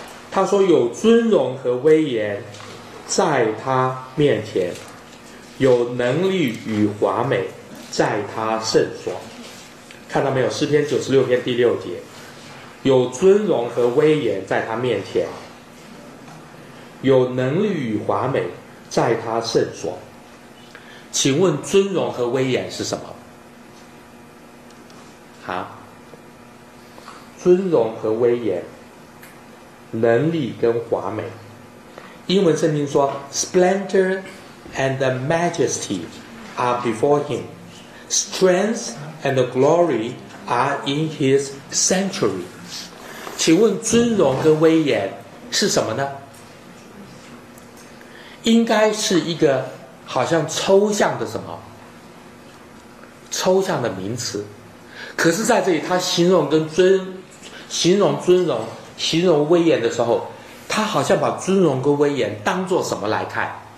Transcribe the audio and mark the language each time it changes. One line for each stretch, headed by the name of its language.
Chinese: 他说有尊荣和威严在他面前，有能力与华美在他圣所。看到没有？诗篇96篇第6节，有尊荣和威严在他面前，有能力与华美在他圣所。请问尊荣和威严是什么？啊，尊荣和威严，能力跟华美，英文圣经说
English: Splendor and the majesty are before him, strength and the glory are in his sanctuary.
Chinese: 请问尊荣跟威严是什么呢？应该是一个好像抽象的什么抽象的名词，可是在这里他形容尊荣形容威严的时候，他好像把尊荣跟威严当作什么来看？